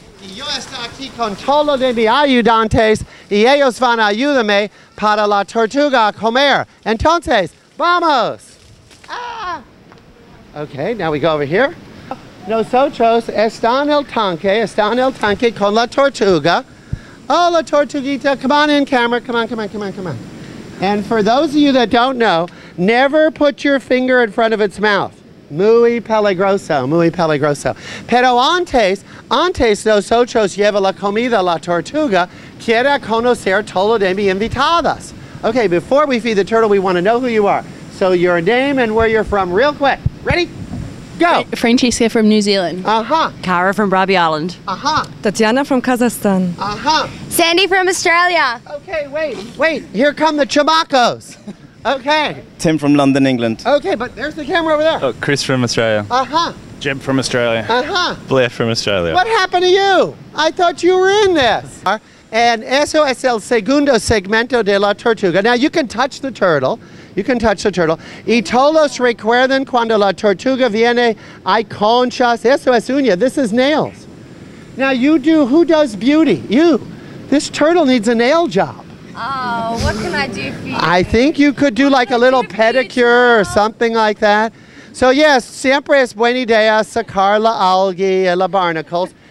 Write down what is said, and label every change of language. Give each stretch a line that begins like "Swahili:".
Spanish: Y yo estoy aquí con todos de mis ayudantes, y ellos van a ayudarme para la tortuga a comer. Entonces, vamos.
English: Ah! Okay, now we go over here.
Spanish: Nosotros están en el tanque con la tortuga.
English: Oh,
Spanish: la tortuguita,
English: come on in camera. Come on, come on, come on, come on. And for those of you that don't know, never put your finger in front of its mouth.
Spanish: Muy peligroso, muy peligroso. Pero antes nosotros lleva la comida a la tortuga, quiere conocer todo de mi invitadas.
English: Okay, before we feed the turtle, we want to know who you are. So your name and where you're from real quick. Ready? Go! Francesca from New Zealand. Uh-huh. Cara from Robbie Island. Uh-huh. Tatiana from Kazakhstan. Uh-huh. Sandy from Australia. Okay, wait. Here come the chamacos. Okay. Tim from London, England. Okay, but there's the camera over there. Oh, Chris from Australia. Uh-huh. Jim from Australia. Uh-huh. Blair from Australia. What happened to you? I thought you were in this. And
Spanish: eso es el segundo segmento de la tortuga.
English: Now, you can touch the turtle. You can touch the turtle.
Spanish: Y todos recuerden cuando la tortuga viene, hay conchas. Eso es uña.
English: This is nails. Now, who does beauty? You. This turtle needs a nail job. Oh, what can I do for you? I think you could do like a little pedicure or something like that. So, yes,
Spanish: siempre es buena idea sacar la algae y la barnacles.